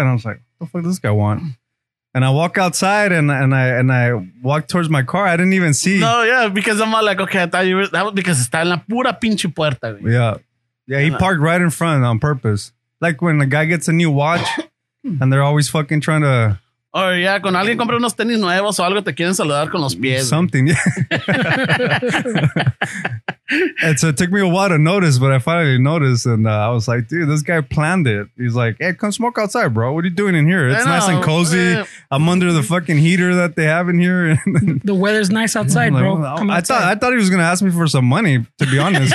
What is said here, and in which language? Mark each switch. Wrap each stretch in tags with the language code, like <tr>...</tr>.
<en>And I was like, what the fuck does this guy want? And I walk outside and I walk towards my car. I didn't even see. No, yeah, because I'm like, okay, I thought you were, that was because</en> <es>está en la pura pinche puerta. Güey.</es> <en>Yeah. Yeah, he parked right in front on purpose. Like when a guy gets a new watch and they're always fucking trying to...</en> <es>Oh, yeah, con alguien compra unos tenis nuevos o algo, te quieren saludar con los pies.</es> <en>Something, yeah. And so it took me a while to notice, but I finally noticed. And I was like, dude, this guy planned it. He's like, hey, come smoke outside, bro. What are you doing in here? It's nice and cozy. I'm under the fucking heater that they have in here. The weather's nice outside, like, bro. Well, I thought he was going to ask me for some money, to be honest.</en>